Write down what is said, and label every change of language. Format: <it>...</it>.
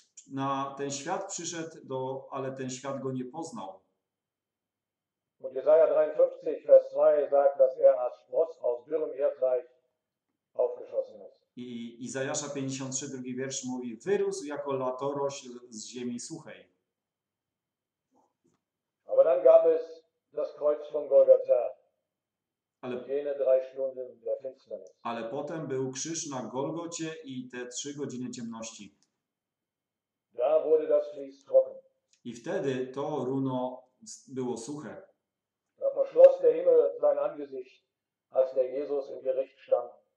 <pl>na ten świat przyszedł, do, ale ten świat go nie poznał.</pl> <de>Und Jesaja 53, Vers 2 sagt, dass als Spross aus dürrem Erdreich aufgeschossen ist.</de> <pl>I Izajasza 53, drugi wiersz mówi, wyrósł jako latorośl z ziemi suchej.</pl> <de>Aber dann gab es das Kreuz von Golgatha.</de> <pl>Ale,</pl> <de>jene drei Stunden der Finsternis.</de> <pl>Ale potem był krzyż na Golgocie i te trzy godziny ciemności.</pl> <de>Da wurde das Vlies trocken.</de> <pl>I wtedy to runo było suche.</pl> <de>Da verschloss der Himmel sein Angesicht, als der Jesus im Gericht stand.</de>